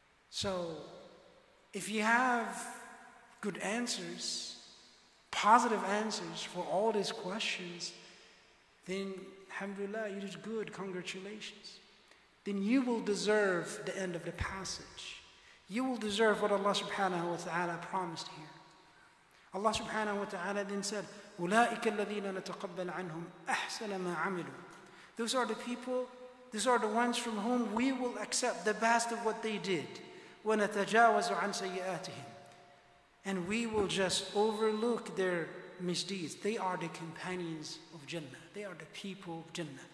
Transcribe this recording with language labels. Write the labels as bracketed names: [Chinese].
[English] So, if you have good answers, positive answers for all these questions, then alhamdulillah, you did good, congratulations. Then you will deserve the end of the passage. You will deserve what Allah subhanahu wa ta'ala promised here. Allah subhanahu wa ta'ala then said, [Arabic] أُولَٰئِكَ الَّذِينَ نَتَقَبَّلْ عَنْهُمْ أَحْسَنَ مَا عَمِلُوا. [English] Those are the people, these are the ones from whom we will accept the best of what they did. [Arabic] وَنَتَجَاوَزُ عَنْ سَيِّئَاتِهِمْ. [English] And we will just overlook their misdeeds. They are the companions of Jannah. They are the people of Jannah.